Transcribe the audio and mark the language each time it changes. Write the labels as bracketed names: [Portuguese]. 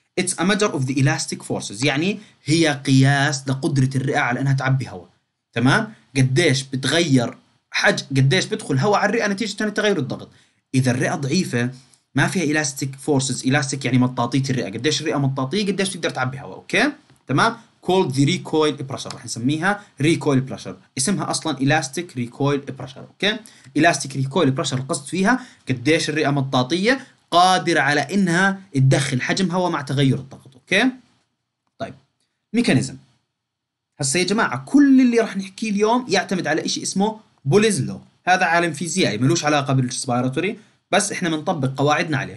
[English] It's a measure of the elastic forces، [Arabic] يعني هي قياس لقدرة الرئة على أنها تعبي هواء. تمام؟ قديش بتغير قديش بدخل هواء على الرئة نتيجة لتغير الضغط. إذا الرئة ضعيفة ما فيها elastic forces، elastic يعني مطاطية الرئة، قديش الرئة مطاطية قديش تقدر تعبي هواء. أوكي؟ تمام؟ [English] called the recoil pressure، [Arabic] راح نسميها recoil pressure، اسمها أصلا elastic recoil pressure. أوكي؟ elastic recoil pressure القصد فيها قديش الرئة مطاطية قادر على انها تدخل حجم هواء مع تغير الضغط. اوكي، طيب ميكانيزم. هسه يا جماعه كل اللي راح نحكيه اليوم يعتمد على شيء اسمه بوليز لو، هذا عالم فيزيائي ملوش علاقه بالريسبيراتوري، بس احنا بنطبق قواعدنا عليه.